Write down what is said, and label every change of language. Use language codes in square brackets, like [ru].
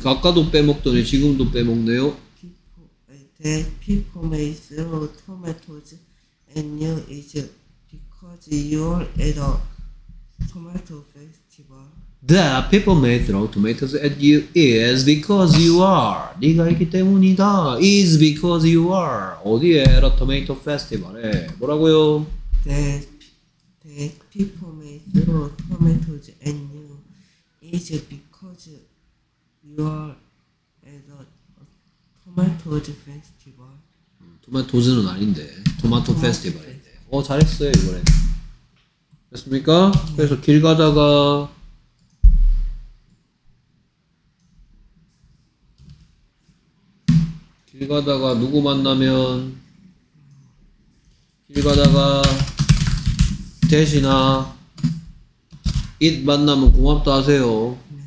[ko] 뭘 아까도 빼먹더니 지금도 빼먹네요. [en] People may throw tomatoes at you is because you're at a tomato festival. That people may throw tomatoes at you is because you are. [ko] 네가 있기 때문이다. [en] Is because you are. [ko] 어디에? [en] At a tomato festival. [ko] 에 뭐라고요? [en] That people may throw tomatoes at you is because you are at a tomato festival. [ko] 토마토즈는 아닌데, 토마토 페스티벌인데. 잘했어요, 이번에. 됐습니까? 네. 그래서 길 가다가 누구 만나면 길 가다가 대신아 it 만나면 고맙다 하세요.